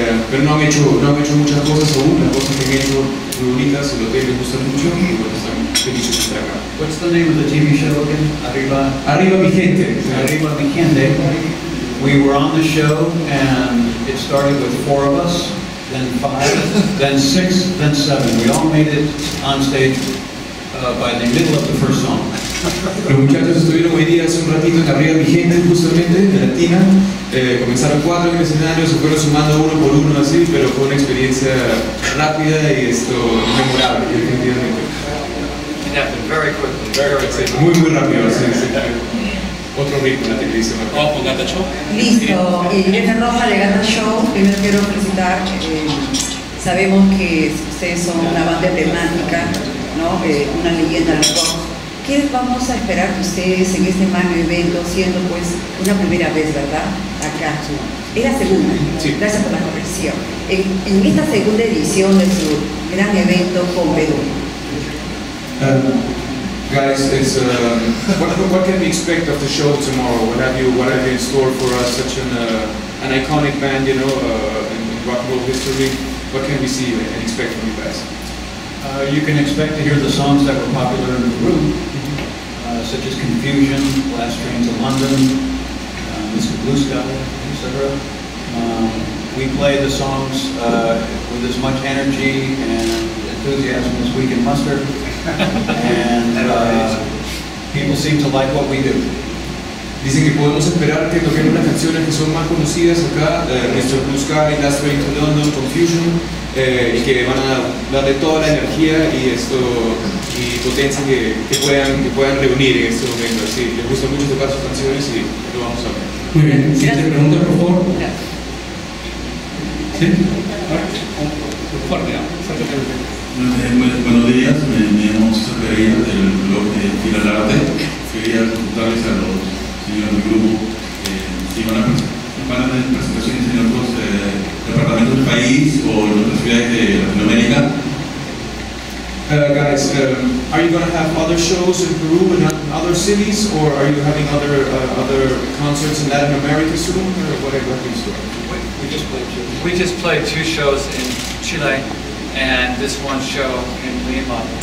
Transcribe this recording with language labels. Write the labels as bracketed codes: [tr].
[es] Pero no han hecho muchas cosas aún. Las cosas que han hecho muy bonitas, el hotel les gusta mucho y bueno, están felices de estar acá. [en] What's the name of the TV show again? [es] Arriba. Arriba mi gente. [en] Yeah. Arriba mi gente. We were on the show and it started with four of us, then five, then six, then seven. We all made it on stage by the middle of the first song. [es] Los muchachos estuvieron hoy día hace un ratito en Arriba mi gente, justamente, de Latina. Comenzaron cuatro en el escenario, se fueron sumando uno por uno así, pero fue una experiencia rápida y esto memorable, definitivamente. Muy, muy rápido, sí, sí. Otro ritmo, la televisión. Oh, con Gata Show. Listo, y en Roja, Gata Show, primero quiero presentar, sabemos que ustedes son una banda emblemática, ¿no? Una leyenda al rock. ¿Qué vamos a esperar de ustedes en este magno evento, siendo pues una primera vez, ¿verdad? Acá. Es la segunda, sí. Gracias por la corrección. En esta segunda edición de su gran evento con Perú. [en] Guys, it's what can we expect of the show tomorrow? What have you in store for us? Such an iconic band, you know, in rock and roll history. What can we see and expect from you guys? You can expect to hear the songs that were popular in the group, such as Confusion, Last Train to London, Mr. Blue Sky, etc. We play the songs with as much energy and enthusiasm as we can muster. And People seem to like what we do. [es] Dicen que podemos esperar que toquen unas canciones que son más conocidas acá, Mr. Blue Sky, Last Train to London, Confusion, y que van a darle toda la energía y esto y potencia que puedan reunir en este momento. Así, les gusta mucho tocar sus canciones y lo vamos a ver. Muy bien, siguiente pregunta, por favor. Buenos días, me llamo César Pereira del blog de Filar Arte. Quería preguntarles a los señores del grupo si van a tener presentaciones en otros departamentos del país o en otras ciudades de Latinoamérica. [en] Guys, are you going to have other shows in Peru and other cities, or are you having other concerts in Latin America soon, or whatever things are? We just played two shows in Chile and this one show in Lima.